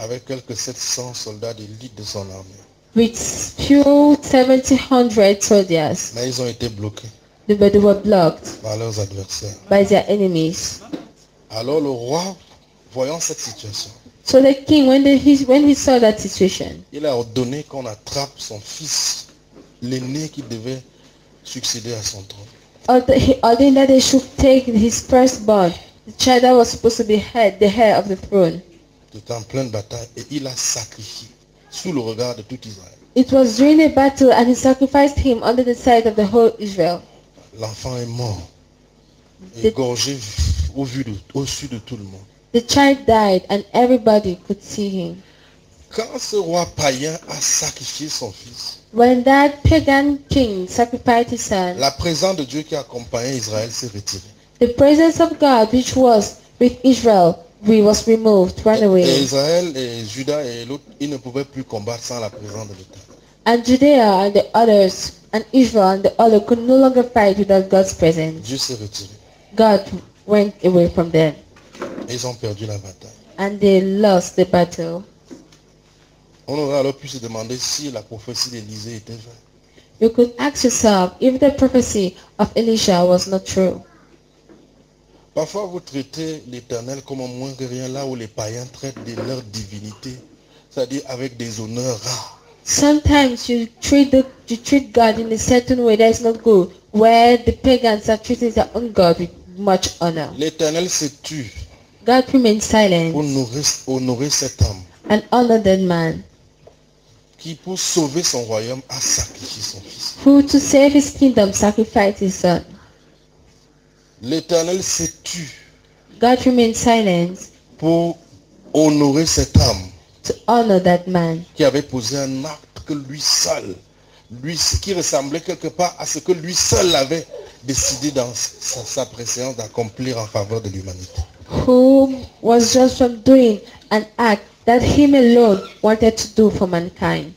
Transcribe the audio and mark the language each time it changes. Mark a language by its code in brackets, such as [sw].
[fr] Avec quelques 700 soldats d'élite de son armée. [en] With few 1700 soldiers. [fr] Mais ils ont été bloqués. [en] But they were blocked. [fr] Par leurs adversaires. [en] By their enemies. [fr] Alors le roi, voyant cette situation, [en] so the king, when he saw that situation, [fr] il a ordonné qu'on attrape son fils, l'aîné qui devait succéder à son trône. [en] Ordained that they should take his firstborn, the child that was supposed to be head, the heir of the throne. [fr] C'était en pleine bataille et il a sacrifié sous le regard de tout Israël. [en] It was during a battle and he sacrificed him under the sight of the whole Israel. [fr] L'enfant est mort, égorgé au sud de tout le monde. [en] The child died and everybody could see him. [fr] Quand ce roi païen a sacrifié son fils, [en] when that pagan king sacrificed his son, [fr] la présence de Dieu qui accompagnait Israël s'est retirée. [en] The presence of God which was with Israel was removed, ran away. [fr] Et Israël et Juda et l'autre, ils ne pouvaient plus combattre sans la présence de l'Éternel. [en] And Judea and the others, and Israel and the others could no longer fight without God's presence. [fr] Dieu s'est retiré. [en] God went away from them. [fr] Ils ont perdu la bataille. [en] And they lost the battle. [fr] On aurait alors pu se demander si la prophétie d'Élisée était vraie. [en] You could ask yourself if the prophecy of Elisha was not true. [fr] Parfois, vous traitez l'Éternel comme moins que rien là où les païens traitent de leur divinité, c'est-à-dire avec des honneurs rares. [en] Sometimes you treat the you treat God in a certain way that is not good, where the pagans are treating their own God with much honor. [fr] L'Éternel se tue. [en] God remains silent. [fr] Honorer cet homme. [en] And honor that man. [fr] Qui pour sauver son royaume a sacrifié son fils. [en] Who to save his kingdom sacrificed his son. [fr] L'Éternel se tue. [en] God remains silent. [fr] Pour honorer cet homme. [en] To honor that man. [fr] Qui avait posé un acte que lui seul. Lui, qui ressemblait quelque part à ce que lui seul avait décidé dans sa préscience d'accomplir en faveur de l'humanité. [en] Who was just from doing an act that him alone wanted to do for mankind.